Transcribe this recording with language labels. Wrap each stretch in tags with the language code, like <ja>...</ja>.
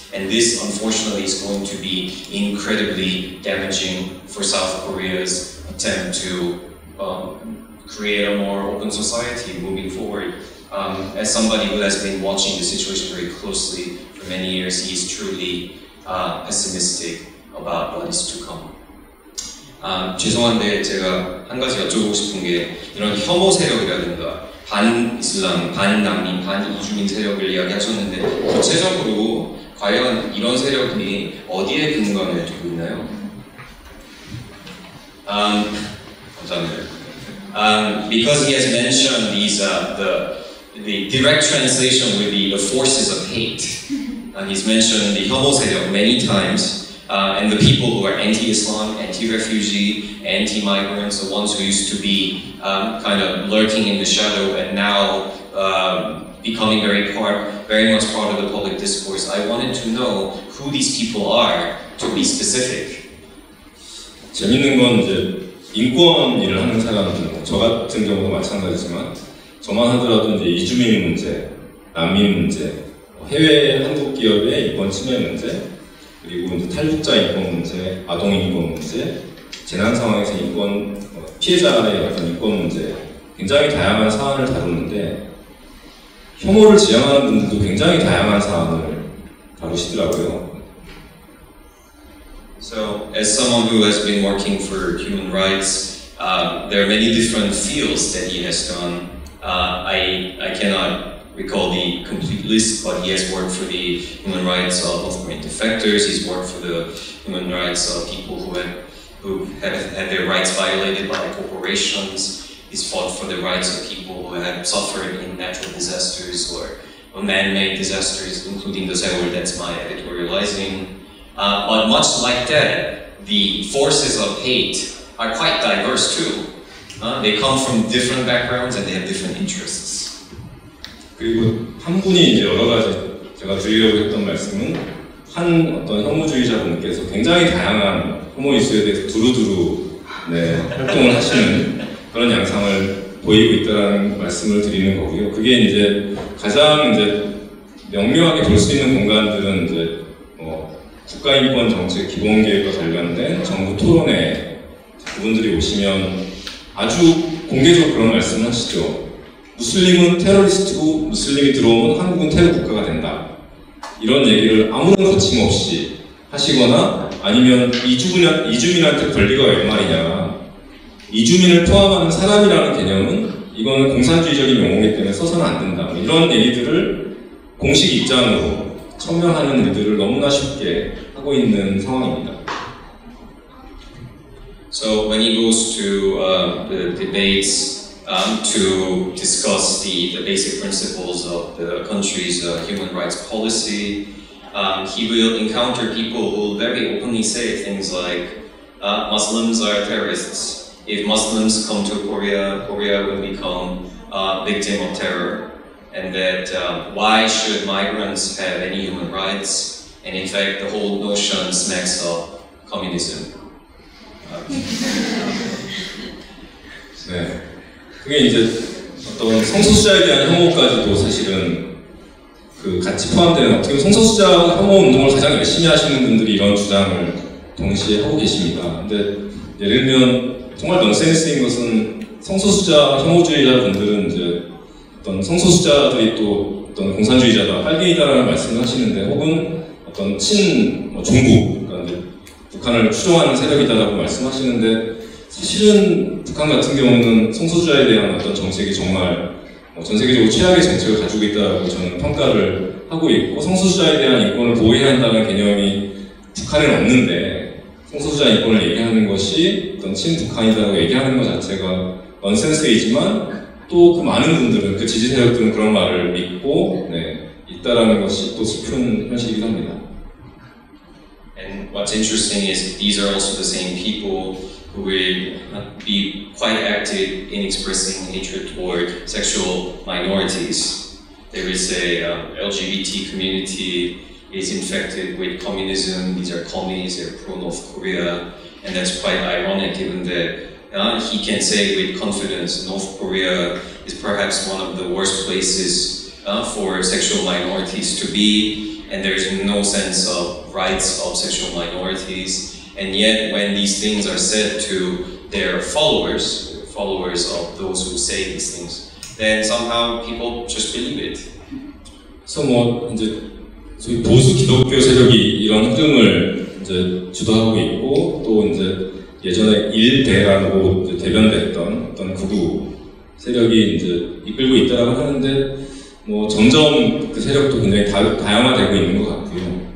<en>And this, unfortunately, is going to be incredibly damaging for South Korea's attempt to create a more open society moving forward. As somebody who has been watching the situation very closely for many years, he is truly pessimistic about what is to come.</en> <ko>죄송한데 제가 한 가지 여쭤보고 싶은 게 이런 혐오 세력이라든가 반이슬람, 반난민, 반이주민 세력을 이야기하셨는데 구체적으로 과연 이런 세력이 어디에 근거를 두고 있나요? 감사합니다.</ko> <en>Because he has mentioned these the direct translation would be the forces of hate. And he's mentioned the</en> <ko>혐오 세력</ko> <en>many times. And the people who are anti-Islam, anti-refugee, anti-migrants, the ones who used to be kind of lurking in the shadow and now becoming very much part of the public discourse. I wanted to know who these people are, to be specific.</en> <ko>재밌는 건 이제 인권 일을 하는 사람들, 저 같은 경우도 마찬가지지만 저만 하더라도 이제 이주민 문제, 난민 문제, 해외 한국 기업의 인권 침해 문제, 그리고 이제 탈북자 인권 문제, 아동 인권 문제, 재난 상황에서 인권 피해자의 어떤 인권 문제, 굉장히 다양한 사안을 다루는데 혐오를 지향하는 분들도 굉장히 다양한 사안을 다루시더라고요.</ko> <en>So, as someone who has been working for human rights, there are many different fields that he has done. I cannot recall the complete list, but he has worked for the human rights of main defectors, he's worked for the human rights of people who have had their rights violated by corporations, he's fought for the rights of people who have suffered in natural disasters or man-made disasters, including the Seoul that's my editorializing. But much like that, the forces of hate are quite diverse too. They come from different backgrounds and they have different interests.</en> <ko>그리고 한 분이 이제 여러 가지 제가 드리려고 했던 말씀은 한 어떤 혐오주의자분께서 굉장히 다양한 혐오 이슈에 대해서 두루두루 네, 활동을 하시는 그런 양상을 보이고 있다는 말씀을 드리는 거고요. 그게 이제 가장 이제 명료하게 볼 수 있는 공간들은 이제 뭐 국가인권 정책 기본계획과 관련된 정부 토론회 그분들이 오시면 아주 공개적으로 그런 말씀을 하시죠. 무슬림은 테러리스트고 무슬림이 들어오면 한국은 테러 국가가 된다. 이런 얘기를 아무런 거침 없이 하시거나 아니면 이주민한테 권리가 웬 말이냐. 이주민을 포함하는 사람이라는 개념은 이거는 공산주의적인 용어이기 때문에 써서는 안 된다. 이런 얘기들을 공식 입장으로 천명하는 일들을 너무나 쉽게 하고 있는 상황입니다.</ko> <en>So when he goes to the debates, to discuss the basic principles of the country's human rights policy. He will encounter people who will very openly say things like Muslims are terrorists. If Muslims come to Korea, Korea will become a victim of terror. And that why should migrants have any human rights? And in fact, the whole notion smacks of communism.</en> <ko>그게 이제 어떤 성소수자에 대한 혐오까지도 사실은 그 같이 포함되는 어떻게 성소수자 혐오 운동을 가장 열심히 하시는 분들이 이런 주장을 동시에 하고 계십니다. 근데 예를 들면 정말 넌센스인 것은 성소수자 혐오주의자 분들은 이제 어떤 성소수자들이 또 어떤 공산주의자다, 빨갱이다라는 말씀을 하시는데 혹은 어떤 친중국, 그러니까 북한을 추종하는 세력이다라고 말씀하시는데 사실은 북한 같은 경우는 성소수자에 대한 어떤 정책이 정말 전 세계적으로 최악의 정책을 가지고 있다고 저는 평가를 하고 있고 성소수자에 대한 인권을 보호해야 한다는 개념이 북한에는 없는데 성소수자 인권을 얘기하는 것이 어떤 친북한이라고 얘기하는 것 자체가 넌센스이지만 또 그 많은 분들은 그 지지 세력들은 그런 말을 믿고 네, 있다라는 것이 또 슬픈 현실이긴 합니다.</ko> <en>And what's interesting is these are also the same people who would be quite active in expressing hatred toward sexual minorities. There is a LGBT community is infected with communism. These are commies, they're pro-North Korea. And that's quite ironic given that he can say with confidence North Korea is perhaps one of the worst places for sexual minorities to be. And there's no sense of rights of sexual minorities. And yet when these things are said to their followers, followers of those who say these things, then somehow people just believe it.</en> <ko>So, 뭐 이제 소위 보수 기독교 세력이 이런 흐름을 이제 주도하고 있고 또 이제 예전에 일대라고 이제 대변됐던 어떤 구구 세력이 이제 이끌고 있다라고 하는데 뭐 점점 그 세력도 굉장히 다양화되고 있는 것 같고요.</ko>